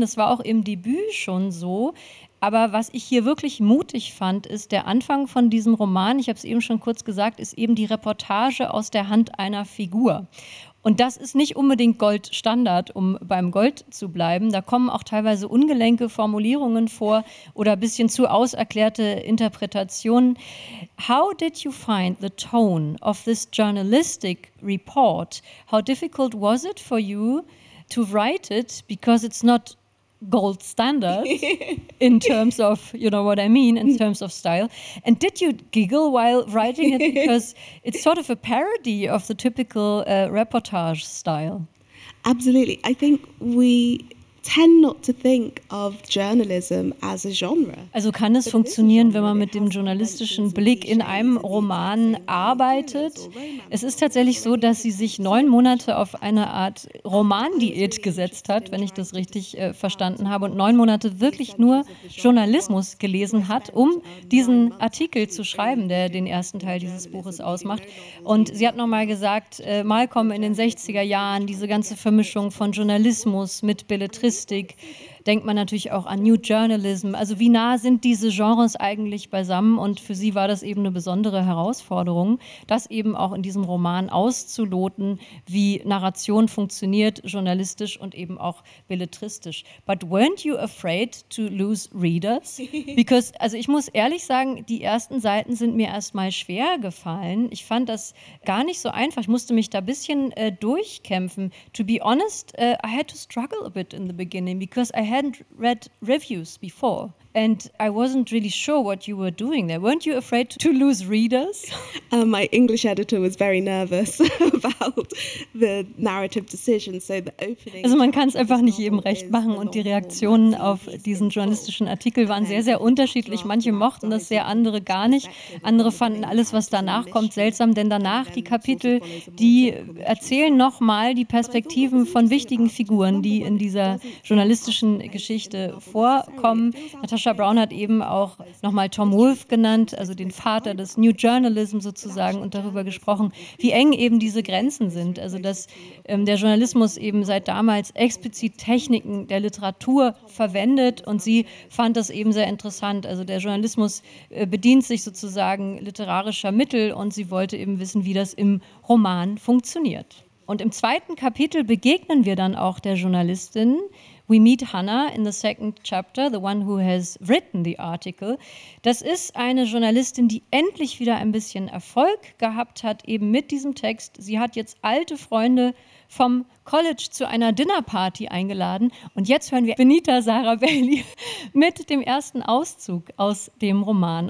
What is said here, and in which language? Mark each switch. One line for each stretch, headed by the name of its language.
German: Das war auch im Debüt schon so. Aber was ich hier wirklich mutig fand, ist der Anfang von diesem Roman, ich habe es eben schon kurz gesagt, ist eben die Reportage aus der Hand einer Figur. Und das ist nicht unbedingt Goldstandard, um beim Gold zu bleiben. Da kommen auch teilweise ungelenke Formulierungen vor oder ein bisschen zu auserklärte Interpretationen.
English: How did you find the tone of this journalistic report? How difficult was it for you to write it? Because it's not gold standard in terms of, you know what I mean, in terms of style. And did you giggle while writing it? Because it's sort of a parody of the typical reportage style. Absolutely. I think we tend not to think of journalism as a genre.
German: Also kann es funktionieren, wenn man mit dem journalistischen Blick in einem Roman arbeitet? Es ist tatsächlich so, dass sie sich 9 Monate auf eine Art Romandiät gesetzt hat, wenn ich das richtig verstanden habe, und 9 Monate wirklich nur Journalismus gelesen hat, um diesen Artikel zu schreiben, der den ersten Teil dieses Buches ausmacht. Und sie hat nochmal gesagt, Malcolm in den 60er Jahren, diese ganze Vermischung von Journalismus mit Billet denkt man natürlich auch an New Journalism. Also wie nah sind diese Genres eigentlich beisammen? Und für sie war das eben eine besondere Herausforderung, das eben auch in diesem Roman auszuloten, wie Narration funktioniert, journalistisch und eben auch belletristisch.
English: But weren't you afraid to lose readers? Because,
German: also ich muss ehrlich sagen, die ersten Seiten sind mir erstmal schwer gefallen. Ich fand das gar nicht so einfach. Ich musste mich da ein bisschen durchkämpfen.
English: To be honest, I had to struggle a bit in the beginning because I hadn't read reviews before and I wasn't really sure what you were doing there. Weren't you afraid to lose readers? My English editor was very nervous about the narrative decision. So the opening.
German: Also man kann es einfach nicht jedem recht machen und die Reaktionen auf diesen journalistischen Artikel waren sehr, sehr unterschiedlich. Manche mochten das sehr, andere gar nicht. Andere fanden alles, was danach kommt, seltsam, denn danach die Kapitel, die erzählen nochmal die Perspektiven von wichtigen Figuren, die in dieser journalistischen Geschichte vorkommen. Sasha Brown hat eben auch nochmal Tom Wolfe genannt, also den Vater des New Journalism sozusagen, und darüber gesprochen, wie eng eben diese Grenzen sind. Also dass der Journalismus eben seit damals explizit Techniken der Literatur verwendet, und sie fand das eben sehr interessant. Also der Journalismus bedient sich sozusagen literarischer Mittel, und sie wollte eben wissen, wie das im Roman funktioniert. Und im zweiten Kapitel begegnen wir dann auch der Journalistin.
English: We meet Hannah in the second chapter, the one who has written the article.
German: Das ist eine Journalistin, die endlich wieder ein bisschen Erfolg gehabt hat, eben mit diesem Text. Sie hat jetzt alte Freunde vom College zu einer Dinnerparty eingeladen. Und jetzt hören wir Benita Sarah Bailey mit dem ersten Auszug aus dem Roman.